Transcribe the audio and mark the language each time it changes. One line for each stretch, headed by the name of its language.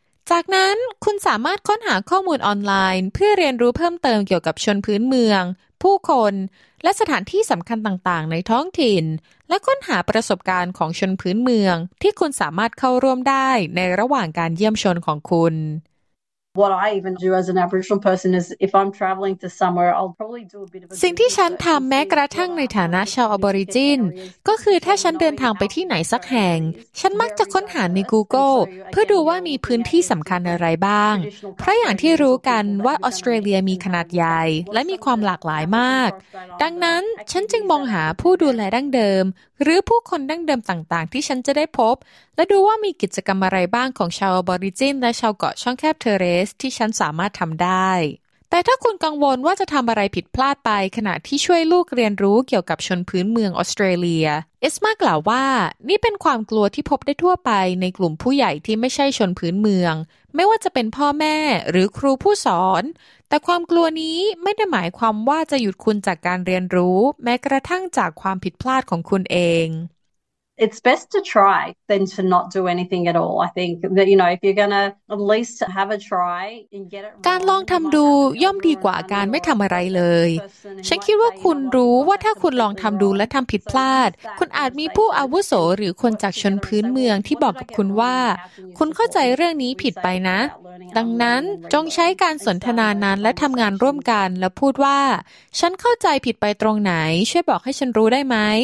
Thai: จากนั้นคุณสามารถค้นหาข้อมูลออนไลน์เพื่อเรียนรู้เพิ่มเติมเกี่ยวกับชนพื้นเมืองผู้คนและสถานที่สำคัญต่างๆในท้องถิ่นและค้นหาประสบการณ์ของชนพื้นเมืองที่คุณสามารถเข้าร่วมได้ในระหว่างการเยี่ยมชนของคุณ
English: What I even do as an Aboriginal person is if I'm traveling to somewhere I'll probably do a bit of
Thai: สิ่งที่ฉันทำแม้กระทั่งในฐานะชาวอบอริจินก็คือถ้าฉันเดินทางไปที่ไหนสักแห่งฉันมักจะค้นหาใน Google เพื่อดูว่ามีพื้นที่สำคัญอะไรบ้างเพราะอย่างที่รู้กันว่าออสเตรเลียมีขนาดใหญ่และมีความหลากหลายมากดังนั้นฉันจึงมองหาผู้ดูแลดั้งเดิมหรือผู้คนดั้งเดิมต่างๆที่ฉันจะได้พบและดูว่ามีกิจกรรมอะไรบ้างของชาวอบอริจินและชาวเกาะช่องแคบเทเรสที่ฉันสามารถทำได้ แต่ถ้าคุณกังวลว่าจะทำอะไรผิดพลาดไปขณะที่ช่วยลูกเรียนรู้เกี่ยวกับชนพื้นเมืองออสเตรเลียเอสมากล่าวว่านี่เป็นความกลัวที่พบได้ทั่วไปในกลุ่มผู้ใหญ่ที่ไม่ใช่ชนพื้นเมืองไม่ว่าจะเป็นพ่อแม่หรือครูผู้สอนแต่ความกลัวนี้ไม่ได้หมายความว่าจะหยุดคุณจากการเรียนรู้แม้กระทั่งจากความผิดพลาดของคุณเอง
English: It's best to try than to not do anything at all. I think that you know if you're gonna at least have a try and get it.
Thai: การลองทำดูย่อมดีกว่าการไม่ทำอะไรเลยฉันคิดว่าคุณรู้ว่าถ้าคุณลองทำดูและทำผิดพลาดคุณอาจมีผู้อาวุโสหรือคนจากชนพื้นเมืองที่บอกกับคุณว่าคุณเข้าใจเรื่องนี้ผิดไปนะดังนั้นจงใช้การสนทนานานและทำงานร่วมกันและพูดว่าฉันเข้าใจผิดไปตรงไหนช่วยบอกให้ฉันรู้ได้ไหม